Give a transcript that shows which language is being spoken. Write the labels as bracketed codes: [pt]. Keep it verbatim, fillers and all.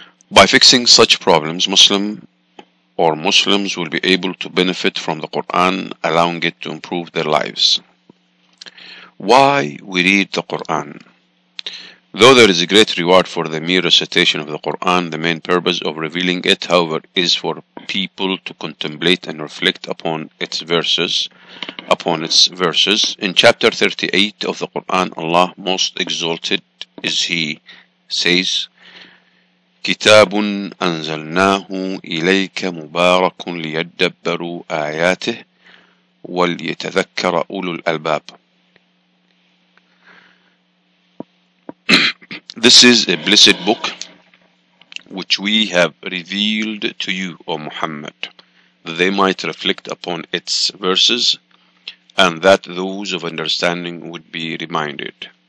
[en] By fixing such problems, Muslim or Muslims will be able to benefit from the Quran, allowing it to improve their lives. Why we read the Quran? Though there is a great reward for the mere recitation of the Quran, the main purpose of revealing it, however, is for people to contemplate and reflect upon its verses. Upon its verses, in chapter thirty-eight of the Quran, Allah, most exalted is He, says, [ar] كتاب أنزلناه إليك مبارك ليدبروا آياته وليتذكر أولو الألباب. [en] This is a blessed book which we have revealed to you, O Muhammad, that they might reflect upon its verses and that those of understanding would be reminded.